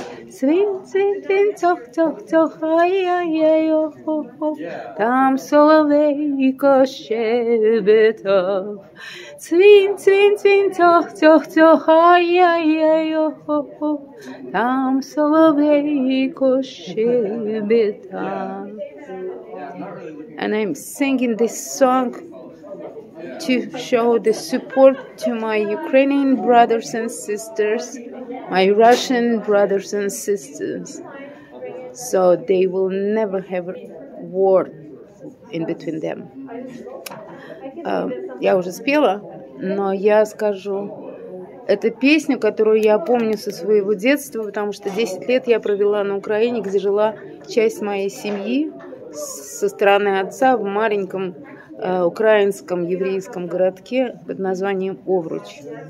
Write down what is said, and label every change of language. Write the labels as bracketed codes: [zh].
[uk] Цвінь, цвінь, цвінь, цьох, цьох, цьох, ай-яй-яй, о-хо-хо, там соловей кошевита. Цвінь, цвінь, цвінь, цьох, цьох, цьох, ай-яй-яй, о-хо-хо, там соловей кошевита. [en] And I'm singing this song to show the support to my Ukrainian brothers and sisters, my Russian brothers and sisters, so they will never have a war in between them. [ru] Я уже спела, но я скажу эту песню, которую я помню со своего детства, потому что 10 лет я провела на Украине, где жила часть моей семьи. Со стороны отца в маленьком украинском еврейском городке под названием Овруч.